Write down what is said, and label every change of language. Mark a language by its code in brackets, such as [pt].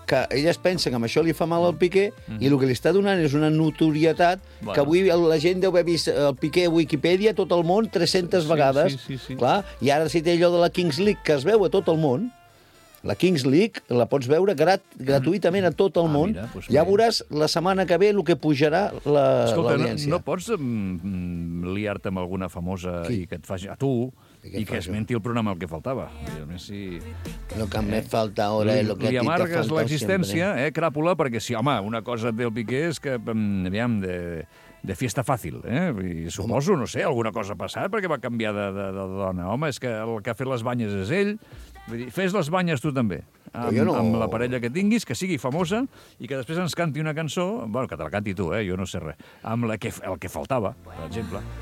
[ca] que ella es pensa que amb això li fa mal al Piqué, i el que li està donant és una notorietat, bueno, que avui la gent deu haver vist el Piqué a Wikipedia tot el món 300 vegades. Sí. Clar, i ara si té allò de la Kings League, que es veu a tot el món, la Kings League la pots veure gratuïtament a tot el món. Mira, pues ja bé. Veuràs la setmana que ve el que pujarà l'audiència. Escolta, no pots liar-te amb alguna famosa qui? I que et faci... A tu... I que es menti el programa, el que faltava. Si... [es] Lo que me falta ahora es lo que a ti te falta. [ca] Li amargues l'existència, cràpula, perquè si, home, una cosa del Piqué és que, aviam, de fiesta fàcil, I suposo, home, no sé, alguna cosa ha passat perquè va canviar de dona. Home, és que el que ha fet les banyes és ell. Vull dir, fes les banyes tu també. Amb la parella que tinguis, que sigui famosa i que després ens canti una cançó, bueno, que te la canti tu, jo no sé res, amb la que, el que faltava, per exemple.